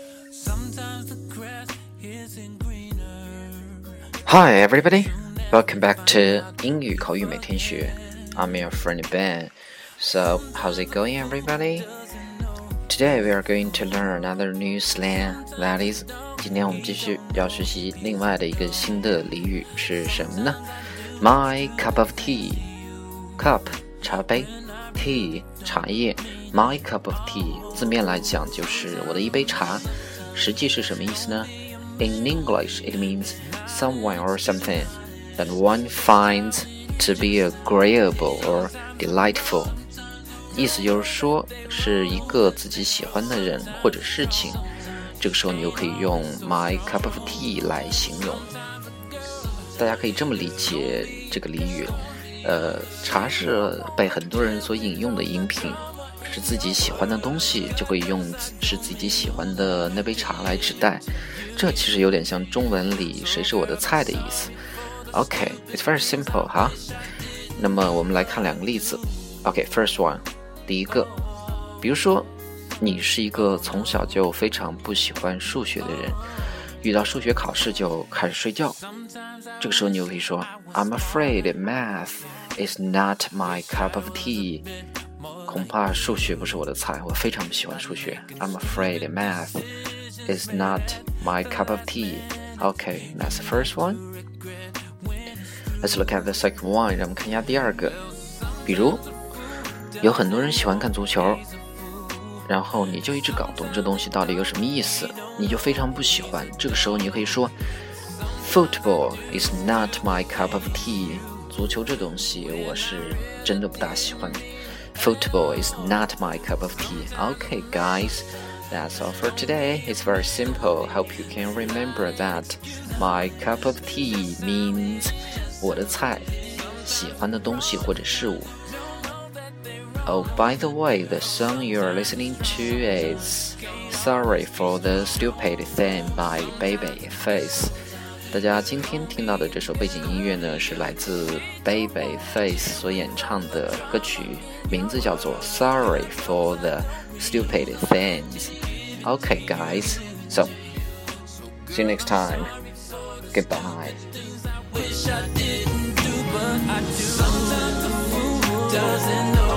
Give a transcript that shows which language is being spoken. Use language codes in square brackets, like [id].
[en] Sometimes the grass isn't greener. Hi everybody, welcome back to 英语口语每天学。 I'm your friend Ben. So, how's it going everybody? Today we are going to learn another new slang. That is, [zh] 今天我们继续要学习另外的一个新的俚语是什么呢？ [en] My cup of tea. Cup, [zh] 茶杯。 Tea, 茶叶。 My cup of tea, 字面来讲就是我的一杯茶。实际是什么意思呢？ [en] In English, it means someone or something that one finds to be agreeable or delightful. [zh] 意思就是说是一个自己喜欢的人或者事情。这个时候你又可以用 my cup of tea 来形容。大家可以这么理解这个俚语，茶是被很多人所饮用的饮品，是自己喜欢的东西，就可以用是自己喜欢的那杯茶来指代。这其实有点像中文里谁是我的菜的意思。 [en] OK, it's very simple, huh? [zh] 那么我们来看两个例子。 [en] OK, first one, [zh] 第一个，比如说你是一个从小就非常不喜欢数学的人，遇到数学考试就开始睡觉。这个时候你就可以说 [en] I'm afraid math is not my cup of tea. [zh] 恐怕数学不是我的菜，我非常不喜欢数学。 [en] I'm afraid math is not my cup of tea. OK, that's the first one. Let's look at the second one. [zh] 让我们看一下第二个。比如有很多人喜欢看足球，然后你就一直搞懂这东西到底有什么意思，你就非常不喜欢。这个时候你可以说 [en] Football is not my cup of tea. [zh] 足球这东西我是真的不大喜欢。 [en] Football is not my cup of tea. OK guys, that's all for today. It's very simple. Hope you can remember that my cup of tea means [zh] 我的菜，喜欢的东西或者事物。 [en] Oh, by the way, the song you're listening to is Sorry for the Stupid Thing by Babyface. [zh] 大家今天听到的这首背景音乐呢，是来自 Babyface 所演唱的歌曲，名字叫做 Sorry for the Stupid Things. [en] Okay, guys, so, see you next time. Goodbye. Sometimes a fool doesn't